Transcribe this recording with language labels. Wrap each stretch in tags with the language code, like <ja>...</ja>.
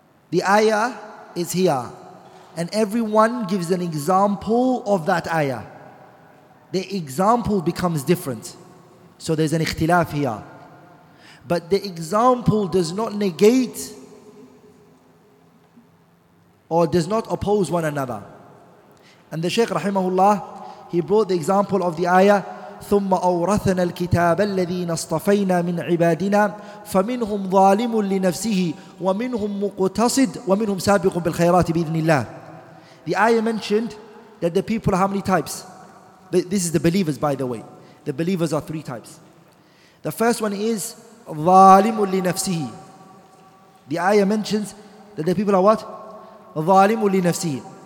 <en>The ayah is here, and everyone gives an example of that ayah. The example becomes different. So there's an ikhtilaf here. But the example does not negate or does not oppose one another. And the Shaykh rahimahullah, he brought the example of the ayah,</en> <ar>ثُمَّ أَوْرَثَنَا الْكِتَابَ الَّذِينَ اصْطَفَيْنَا مِنْ عِبَادِنَا فَمِنْهُمْ ظَالِمٌ لِنَفْسِهِ وَمِنْهُمْ مُقْتَصِدٌ وَمِنْهُمْ سَابِقٌ بِالْخَيْرَاتِ بِإِذْنِ اللَّهِ.</ar> <en>The ayah mentioned that the people are how many types? This is the believers, by the way. The believers are three types. The first one is</en> <ar>ظَالِمٌ لِنَفْسِهِ.</ar> <en>The ayah mentions that the people are what?</en> <ar>ظَالِمٌ لِنَفْسِهِ.</ar>